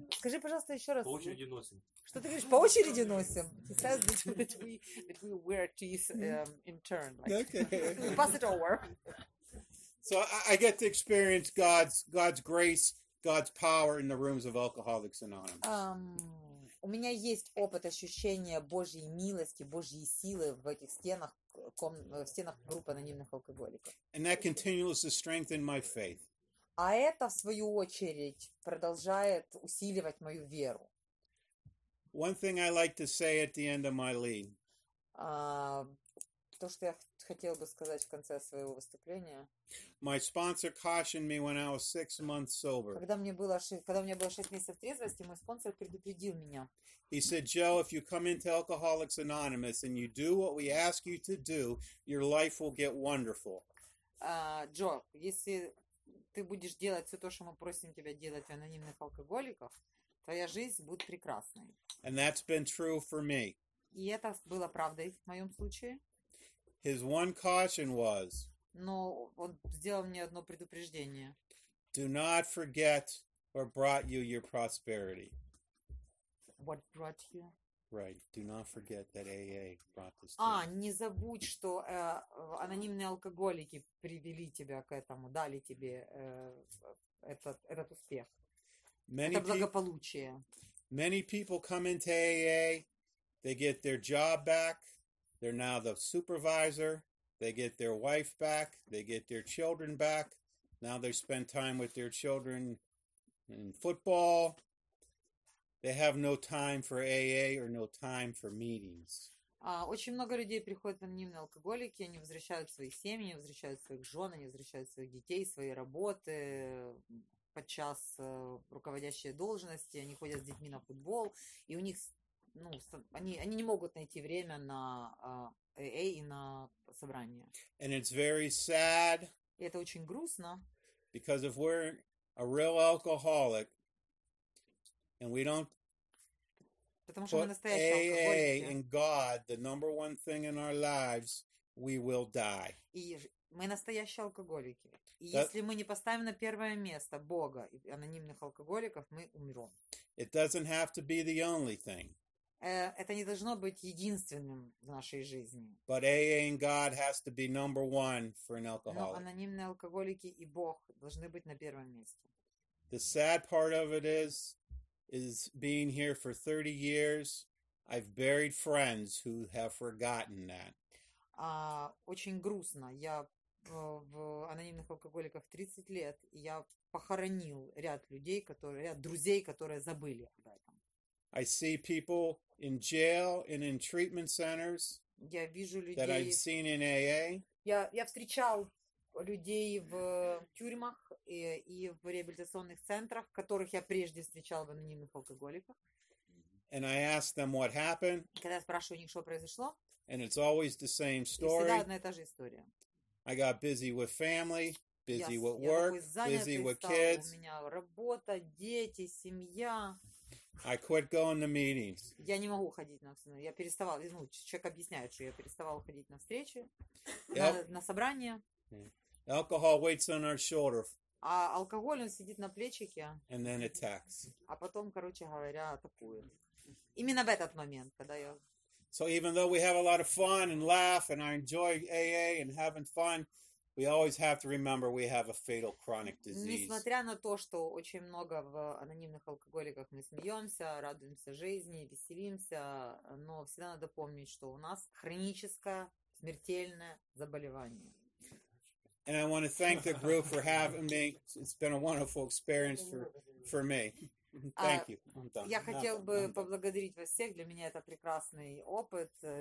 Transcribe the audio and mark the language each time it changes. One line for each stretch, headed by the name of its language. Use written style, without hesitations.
Russian: Скажи, пожалуйста, еще раз. По очереди носим. Что ты говоришь? По очереди носим.
English: He says that we wear teeth in turn. Okay. Pass it over. So I get to experience God's grace. God's power in the rooms of Alcoholics Anonymous.
Russian: У меня есть опыт ощущения Божьей милости, Божьей силы в этих стенах, в стенах группы анонимных алкоголиков.
English: And that continuously strengthens my faith.
Russian: А это, в свою очередь, продолжает усиливать мою веру.
English: One thing I like to say at the end of my lead.
Russian: То, что я хотел бы сказать в конце своего выступления.
English: My sponsor cautioned me when I was 6 months sober.
Russian: Когда мне было 6 месяцев трезвости, мой спонсор предупредил меня.
English: He said, Joe, if you come into Alcoholics Anonymous and you do what we ask you to do, your life will get wonderful.
Russian: Джо, если ты будешь делать все то, что мы просим тебя делать в анонимных алкоголиков, твоя жизнь будет прекрасной.
English: And that's been true for me.
Russian: И это было правдой в моем случае.
English: His one caution was.
Russian: Но он сделал мне одно предупреждение.
English: Do not forget what brought you your prosperity. What brought you? Right. Do not forget that AA brought this.
Russian: А, не забудь, что анонимные алкоголики привели тебя к этому, дали тебе этот успех.
English: Many
Russian: это благополучие.
English: Many people come into AA, they get their job back. They're now the supervisor. They get their wife back. They get their children back. Now they spend time with their children in football. They have no time for AA or no time for meetings.
Russian: Очень много людей приходят анонимные алкоголики, они возвращают свои семьи, возвращают своих жен, они возвращают своих детей, свои работы, подчас руководящие должности, они ходят с детьми на футбол, и у них, ну, они не могут найти время на AA и на собрание.
English: And it's very sad.
Russian: И это очень грустно.
English: Because if we're a real alcoholic and we don't AA in God, the number one thing in our lives, we will die.
Russian: И мы настоящие алкоголики. И если мы не поставим на первое место Бога и анонимных алкоголиков, мы умрем.
English: It doesn't have to be the only thing.
Russian: Это не должно быть единственным в нашей жизни.
English: But AA in God has to be number one for an alcoholic.
Russian: Но анонимные алкоголики и Бог должны быть на первом месте.
English: The sad part of it is being here for 30 years, I've buried friends who have forgotten that.
Russian: Очень грустно. Я в анонимных алкоголиках 30 лет, и я похоронил ряд людей, ряд друзей, которые забыли об этом.
English: I see people in jail and in treatment centers.
Russian: Я вижу людей.
English: That I've seen in AA.
Russian: Я встречал людей в тюрьмах и в реабилитационных центрах, которых я прежде встречал в анонимных алкоголиках.
English: And I ask them what happened.
Russian: Когда я спрашиваю у них, что произошло.
English: And it's always the same story.
Russian: И всегда одна и та же история.
English: I got busy with family, busy with work, busy with kids.
Russian: У меня работа, дети, семья.
English: I quit going to meetings.
Russian: Я не могу ходить на встречи. Я переставал, ну, человек объясняет, что я переставал ходить на встречи, на собрания.
English: Alcohol waits on our shoulder.
Russian: А алкоголь, он сидит на плечике.
English: And then attacks.
Russian: А потом, короче говоря, атакует. Именно в этот момент, когда я...
English: So even though we have a lot of fun and laugh and I enjoy AA and having fun, we always have to remember we have a fatal chronic disease.
Russian: Несмотря на то, что очень много в анонимных алкоголиках мы смеемся, радуемся жизни, веселимся, но всегда надо помнить, что у нас хроническое смертельное заболевание.
English: And I want to thank the group for having me. It's been a wonderful experience for me. Thank you.
Russian: Я хотел бы поблагодарить вас всех. Для меня это прекрасный опыт.